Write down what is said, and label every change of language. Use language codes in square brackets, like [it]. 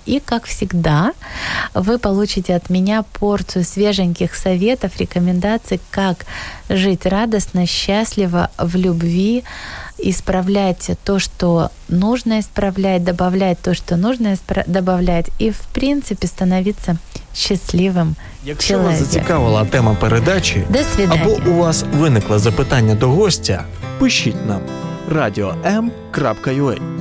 [ru] И, как всегда, вы получите от меня порцию свеженьких советов, рекомендаций, как жить радостно, счастливо, в любви, исправлять то, что нужно исправлять, добавлять то, что нужно добавлять, и, в принципе, становиться [uk] щасливим чоловіком. Якщо вас зацікавила тема передачі, [ru] до свидання, [uk] або у вас виникло запитання до гостя, пишіть нам radio.m.ua.